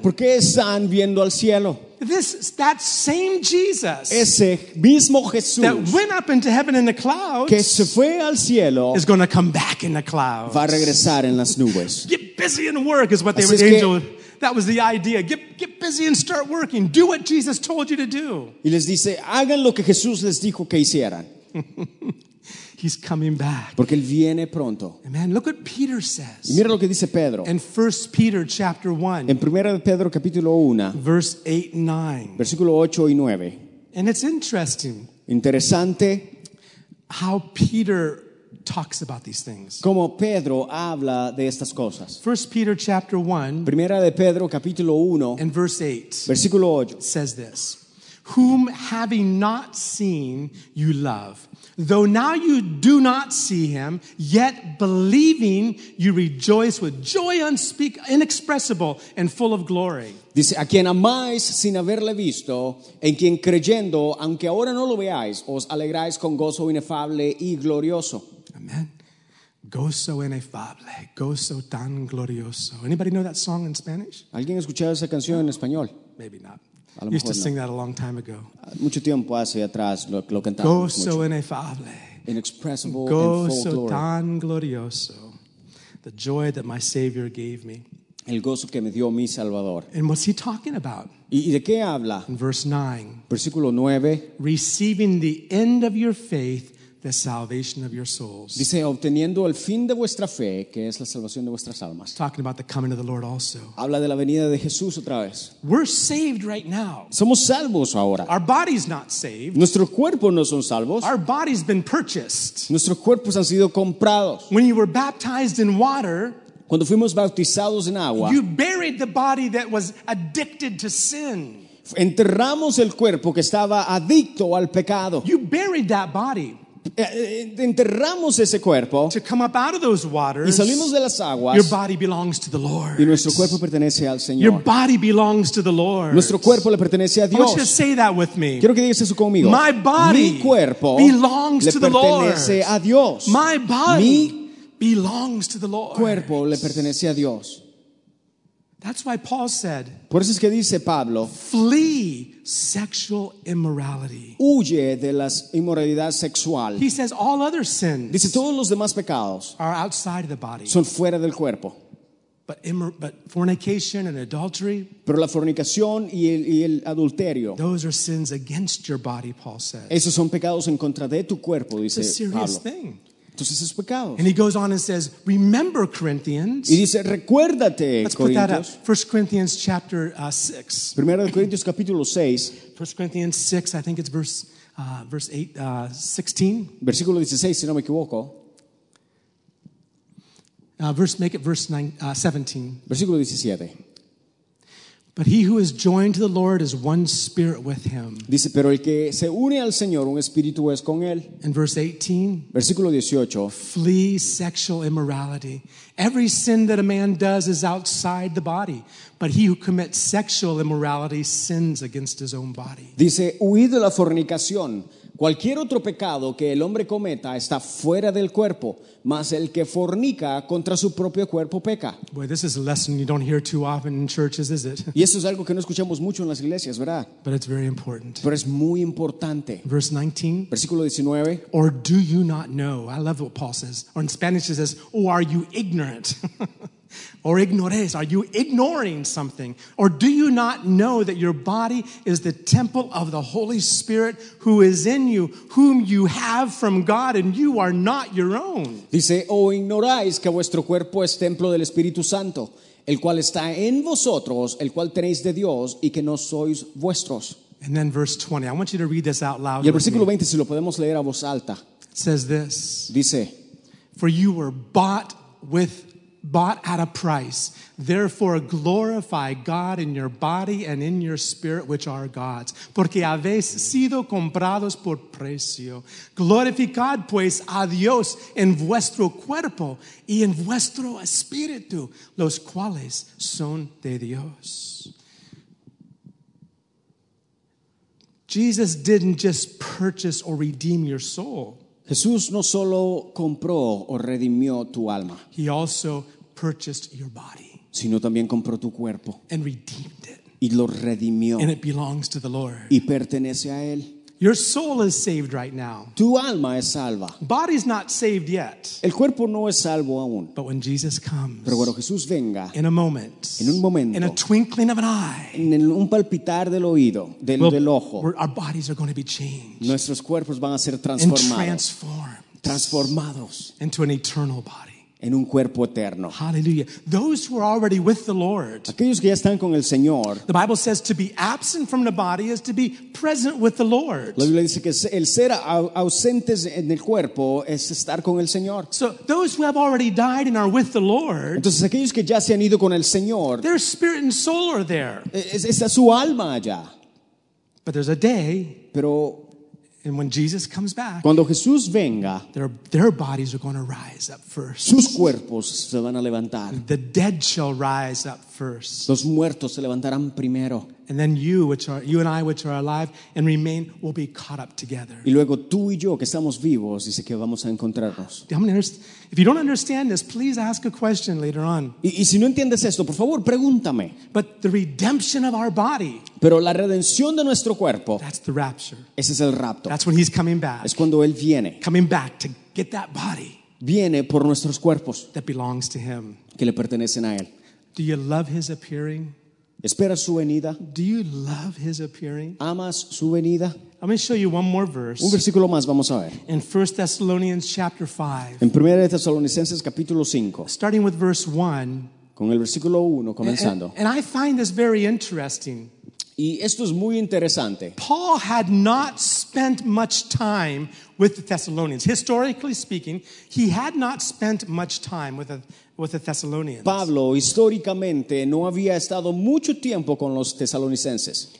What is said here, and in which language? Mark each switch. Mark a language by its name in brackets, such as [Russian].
[Spanish] ¿Por qué están viendo al cielo? [English] That same Jesus. [Spanish] Ese mismo Jesús. [English] That went up into heaven in the clouds. [Spanish] Que se fue al cielo. [English] Is going to come back in the clouds. [Spanish] Va a regresar en las nubes. [English] Get busy in work is what they were angel. That was the idea. Get busy and start working. Do what Jesus told you to do. [Spanish] Y les dice, hagan lo que Jesús les dijo que hicieran. [English] He's coming back. [Spanish] Porque él viene pronto. [English] Amen. Look what Peter says. [Spanish] Y mira lo que dice Pedro. [English] In 1 Peter chapter 1. [Spanish] En Primera de Pedro capítulo 1. [English] Verse 8 and 9. [Spanish] Versículo 8 y 9. [English] And it's interesting. [Spanish] Interesante. [English] How Peter talks about these things. [Spanish] Como Pedro habla de estas cosas. [English] 1 Peter chapter 1. [Spanish] Primera de Pedro capítulo 1. [English] And verse 8. [Spanish] Versículo 8. [English] Says this. Whom having not seen you love. Though now you do not see him, yet believing you rejoice with joy inexpressible and full of glory. [Spanish] Dice, a quien amáis sin haberle visto, en quien creyendo, aunque ahora no lo veáis, os alegráis con gozo inefable y glorioso. Amen. Gozo inefable, gozo tan glorioso. [English] Anybody know that song in Spanish? [Spanish] ¿Alguien ha escuchado esa canción en español? [English] Maybe not. Used to sing that a long time ago. [Spanish] Mucho tiempo hace atrás lo cantamos. Gozo inefable. [English] Inexpressible. [Spanish] Gozo tan glorioso. [English] The joy that my Savior gave me. [Spanish] El gozo que me dio mi Salvador. [English] And what's he talking about? [Spanish] ¿Y de qué habla? [English] In verse 9. [Spanish] Versículo 9. [English] Receiving the end of your faith, the salvation of your souls. [Spanish] Dice, obteniendo el fin de vuestra fe, que es la salvación de vuestras almas. [English] Talking about the coming of the Lord also. [Spanish] Habla de la venida de Jesús otra vez. [English] We're saved right now. [Spanish] Somos salvos ahora. [English] Our body's not saved. [Spanish] Nuestro cuerpo no son salvos. [English] Our body's been purchased. [Spanish] Nuestros cuerpos han sido comprados. [English] When you were baptized in water, [Spanish] cuando fuimos bautizados en agua, [English] you buried the body that was addicted to sin. [Spanish] Enterramos el cuerpo que estaba adicto al pecado. [English] You buried that body. [Spanish] Enterramos ese cuerpo. [English] To come up out of those waters, [Spanish] y salimos de las aguas. [English] Your body belongs to the Lord. [Spanish] Y nuestro cuerpo pertenece al Señor. [English] Your body belongs to the Lord. [Spanish] Nuestro cuerpo le pertenece a Dios. [English] I want you to say that with me. [Spanish] Quiero que digas eso conmigo. [English] My body, [Spanish] mi cuerpo, [English] belongs [Spanish] le [English] to the [Spanish] pertenece [English] Lord. [Spanish] A Dios. [English] My body, mi belongs to the Lord. [Spanish] Cuerpo le pertenece a Dios. [English] That's why Paul said. [Spanish] Por eso es que dice Pablo. [English] Flee sexual immorality. [Spanish] Huye de la inmoralidad sexual. [English] He says all other sins. [Spanish] Dice todos los demás pecados. [English] Are outside of the body. [Spanish] Son fuera del cuerpo. [English] But fornication and adultery. [Spanish] Pero la fornicación y el adulterio. [English] Those are sins against your body, Paul says. [Spanish] Esos son pecados en contra de tu cuerpo, dice Pablo. [English] It's a serious thing. [Spanish] Entonces es pecado. [English] And he goes on and says, remember Corinthians. [Spanish] Y dice, recuérdate, [English] let's put [Spanish] Corintios. [English] That up. 1 Corinthians chapter 6. [Spanish] Primera de Corintios capítulo 6. [English] 1 Corinthians 6, I think it's verse 16. [Spanish] Versículo 16, si no me equivoco. [English] Verse 17. [Spanish] Versículo 17. [English] But he who is joined to the Lord is one spirit with him. [Spanish] Dice, pero el que se une al Señor, un espíritu es con él. [English] In verse 18. [Spanish] Versículo 18. [English] Flee sexual immorality. Every sin that a man does is outside the body. But he who commits sexual immorality sins against his own body. [Spanish] Dice, huid de la fornicación. Cualquier otro pecado que el hombre cometa está fuera del cuerpo, mas el que fornica contra su propio cuerpo peca. [English] Boy, this is a lesson you don't hear too often in churches, is it? [Spanish] Y eso es algo que no escuchamos mucho en las iglesias, ¿verdad? [English] But it's very important. [Spanish] Pero es muy importante. [English] Verse 19. [Spanish] Versículo 19. [English] Or do you not know? I love what Paul says. Or in Spanish it says, oh, are you ignorant? Or ignores, are you ignoring something? Or do you not know that your body is the temple of the Holy Spirit who is in you, whom you have from God, and you are not your own? [Spanish] Dice, o ignoráis que vuestro cuerpo es templo del Espíritu Santo, el cual está en vosotros, el cual tenéis de Dios, y que no sois vuestros. [English] And then verse 20, I want you to read this out loud. [Spanish] Y el versículo 20, si lo podemos leer a voz alta. [English] Says this. [Spanish] Dice, [English] for you were bought at a price. Therefore glorify God in your body and in your spirit, which are God's. [Spanish] Porque habéis sido comprados por precio. Glorificad pues a Dios en vuestro cuerpo y en vuestro espíritu, los cuales son de Dios. [English] Jesus didn't just purchase or redeem your soul. [Spanish] Jesús no solo compró o redimió tu alma. [English] He also purchased your body. [Spanish] Sino también compró tu cuerpo. [English] And redeemed it. [Spanish] Y lo redimió. [English] And it belongs to the Lord. [Spanish] Y pertenece a él. [English] Your soul is saved right now. [Spanish] Tu alma es salva. [English] Body's not saved yet. [Spanish] El cuerpo no es salvo aún. [English] But when Jesus comes, [Spanish] pero cuando Jesús venga, [English] in a moment, [Spanish] en un momento, [English] in a twinkling of an eye, [Spanish] en un palpitar del oído, del ojo, [English] our bodies are going to be changed. [Spanish] Nuestros cuerpos van a ser transformados. [English] And transformed. [Spanish] Transformados. [English] Into an eternal body. [Spanish] En un cuerpo eterno. [English] Hallelujah. Those who are already with the Lord. [Spanish] Aquellos que ya están con el Señor. [English] The Bible says to be absent from the body is to be present with the Lord. [Spanish] La Biblia dice que el ser ausentes en el cuerpo es estar con el Señor. [English] So those who have already died and are with the Lord. [Spanish] Entonces aquellos que ya se han ido con el Señor. [English] Their spirit and soul are there. [Spanish] Está su alma allá. [English] But there's a day. [Spanish] Pero [English] and when Jesus comes back, [Spanish] cuando Jesús venga, [English] their bodies are going to rise up first. [Spanish] Sus cuerpos se van a levantar. [English] The dead shall rise up first. [Spanish] Los muertos se levantarán primero. [English] And then you, which are you and I, which are alive and remain, will be caught up together. [Spanish] Y luego tú y yo que estamos vivos, dice que vamos a encontrarnos. [English] If you don't understand this, please ask a question later on. [Spanish] Y si no entiendes esto, por favor, pregúntame. [English] But the redemption of our body. [Spanish] Pero la redención de nuestro cuerpo. [English] That's the rapture. [Spanish] Ese es el rapto. [English] That's when he's coming back. [Spanish] Es cuando él viene. [English] Coming back to get that body. [Spanish] Viene por nuestros cuerpos. [English] That belongs to him. [Spanish] Que le pertenecen a él. [English] Do you love his appearing? [Spanish] Espera su venida. [English] Do you love his appearing? [Spanish] ¿Amas su venida? [English] I'm going to show you one more verse. [Spanish] Un versículo más, vamos a ver. [English] In 1 Thessalonians chapter 5. [Spanish] En 1 Tesalonicenses capítulo 5. [English] Starting with verse 1. [Spanish] Con el versículo 1 comenzando. [English] And I find this very interesting. [Spanish] Y esto es muy interesante. [English] Paul had not spent much time with the Thessalonians. Historically speaking, he had not spent much time with the Thessalonians. [Spanish] Pablo históricamente no había estado mucho tiempo con los tesalonicenses.